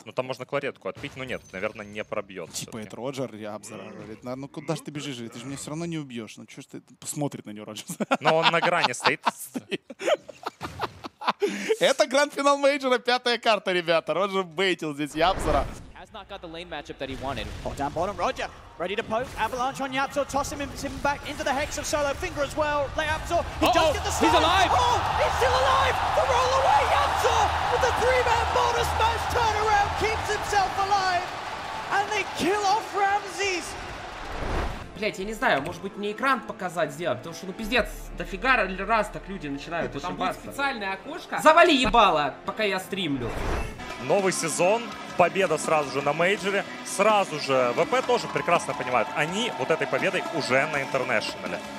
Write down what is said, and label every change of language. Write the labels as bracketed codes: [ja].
[ru] Ну, там можно кларетку отпить, но нет, наверное, не пробьет. Типа, это Роджер, Ябзар, говорит, ну, куда же ты бежишь, ты же меня все равно не убьешь. Ну, что ж ты, посмотрит на него Роджер. Но он на грани стоит. Это гранд-финал мейджора, пятая карта, ребята. Роджер бейтил здесь Ябзара. [en] Not got the lane matchup that he wanted. Oh, down bottom, Roger. Ready to poke. Avalanche on Yapzor. Toss him back into the hex of Solo. Finger as well. Yapzor. He does get the stun. He's alive. Oh, he's still alive. The roll away, Yapzor. With the three-man border smash turnaround. Keeps himself alive. And they kill off Рамзес. [ru] Блять, я не знаю, может быть мне экран показать сделать, потому что ну пиздец, дофига раз так люди начинают ошибаться. Там будет специальное окошко. Завали ебало, пока я стримлю. Новый сезон. победа сразу же на мейджоре, сразу же ВП тоже прекрасно понимают, они вот этой победой уже на интернешнале.